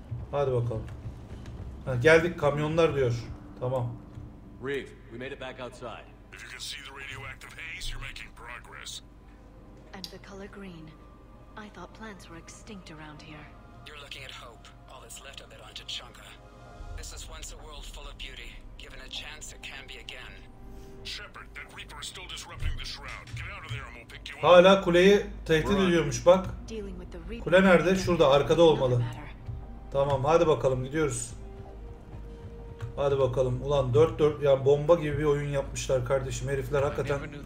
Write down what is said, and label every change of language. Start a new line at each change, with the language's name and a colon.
Turkish: Hadi bakalım. Ha, geldik, kamyonlar diyor. Tamam.
English: Reeve, we made it back outside. If you can see the radioactive haze, you're making progress. And the color green. I thought plants were extinct around here. You're looking at hope, all that's left of it on T'Chanka. This is once a world full of beauty. Given a chance, it can be again. Shepard, that Reaper is still disrupting the shroud. Get out of there and we'll pick you up.
Turkish: Hala kuleyi tehdit ediyormuş bak. Kule nerede? Şurada, arkada olmalı. Tamam, hadi bakalım, gidiyoruz. Hadi bakalım. Ulan 4-4 ya, bomba gibi bir oyun yapmışlar kardeşim herifler hakikaten.